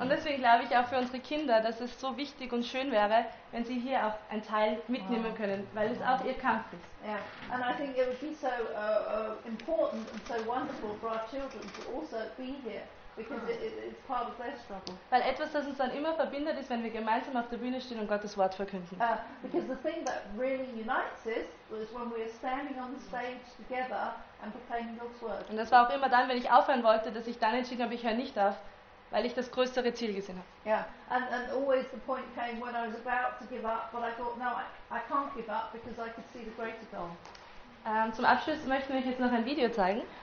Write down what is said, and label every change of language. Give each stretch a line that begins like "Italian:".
German: Und deswegen glaube ich auch für unsere Kinder, dass es so wichtig und schön wäre, wenn sie hier auch einen Teil mitnehmen können, weil es auch ihr Kampf ist.
English: Yeah. And I think it would be so important and so wonderful for our children to also be here, because it's part of their struggle.
German: Weil etwas, das uns dann immer verbindet, ist, wenn wir gemeinsam auf der Bühne stehen und Gottes Wort verkünden.
English: Because the thing that really unites us is when we are standing on the stage together.
German: Und das war auch immer dann, wenn ich aufhören wollte, dass ich dann entschieden habe, ich höre nicht auf, weil ich das größere Ziel gesehen habe. Ja, yeah.
English: and always the point came when I was about to give up, but I thought, no, I can't give up because I could see the greater goal.
German: Zum Abschluss möchten wir jetzt noch ein Video zeigen.